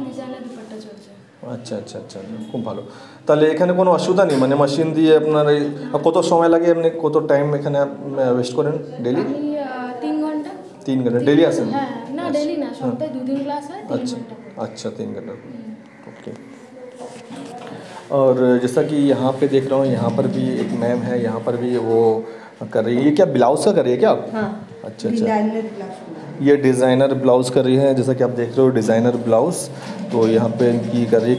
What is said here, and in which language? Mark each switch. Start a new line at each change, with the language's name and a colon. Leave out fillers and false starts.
Bangla: अच्छा अच्छा अच्छा, खूब भलो. তাহলে এখানে কোনো অসুবিধা নেই, মানে মেশিন দিয়ে আপনার এই কত সময় লাগে, আপনি কত টাইম এখানে ওয়েস্ট করেন ডেইলি? 3 ঘন্টা. 3 ঘন্টা ডেইলি আসেন? হ্যাঁ, না ডেইলি না, সপ্তাহে 2 দিন ক্লাস হয়, 3 ঘন্টা. আচ্ছা, 3 ঘন্টা. ওকে. আর যেটা কি
Hindi: यहां पे देख रहा हूं, यहां पर भी एक मैम है, यहां पर भी वो कर रही है. ये क्या ब्लाउज का कर रही है क्या? हां. अच्छा, ये डिज़ाइनर ब्लाउज कर रही है, जैसा कि आप देख रहे हो डिज़ाइनर ब्लाउज, तो यहाँ पे इनकी कर रही है।